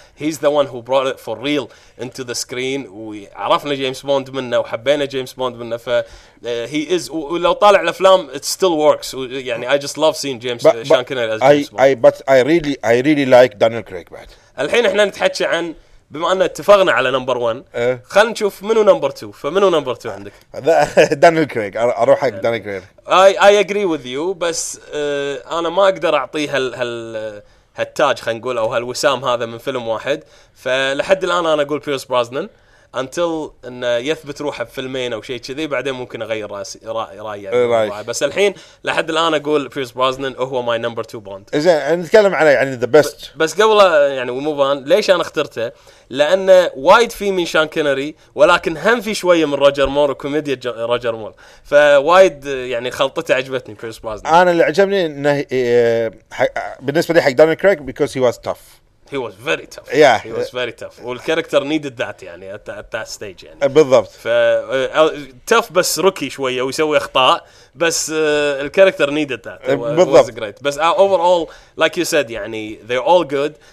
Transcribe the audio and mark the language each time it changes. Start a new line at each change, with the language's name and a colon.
English: He's the one who brought it for real into the screen.
Arabic: وعرفنا جيمس بوند منه وحبينا جيمس بوند منه.
English: ف he is
Arabic: ولو طالع الأفلام
English: it still works.
Arabic: يعني
English: I just love seeing James Sean Connery as James Bond. I really like Daniel Craig بعد.
Arabic: الحين إحنا نتحكى عن بما أن اتفقنا على نمبر 1 خلينا نشوف منو نمبر 2 فمنو نمبر 2 عندك دانيل كريغ اروح حق دانيل كريغ
English: I agree with you
Arabic: بس انا ما اقدر اعطيه هالتاج خلينا نقول او هالوسام هذا من فيلم واحد فلحد الان انا اقول بيرس برازنن
English: until
Arabic: ان يثبت روحه بفيلمين او شيء كذي بعدين ممكن اغير رايي بس الحين لحد الان اقول بيرس برازنن هو
English: my number 2 Bond
Arabic: زين نتكلم على يعني
English: the best
Arabic: بس قبل يعني وموفان ليش انا اخترته لان وايد في من شان كينري ولكن هم في شويه من روجر مور وكوميديا روجر مور فوايد يعني خلطته عجبتني بيرس برازنن انا اللي عجبني انه بالنسبه لي حق دانيل كريغ
English: Because he was tough He was very tough. Yeah. He was very tough. Well, the character needed that,
Arabic: يعني,
English: at that stage.
Arabic: يعني. بالضبط.
English: Tough,
Arabic: بس
English: rookie
Arabic: شوية ويسوي أخطاء. بس
English: الكاركتر needed that.
Arabic: بالضبط.
English: It was great.
Arabic: بس
English: overall, like you said,
Arabic: يعني,
English: they're all good.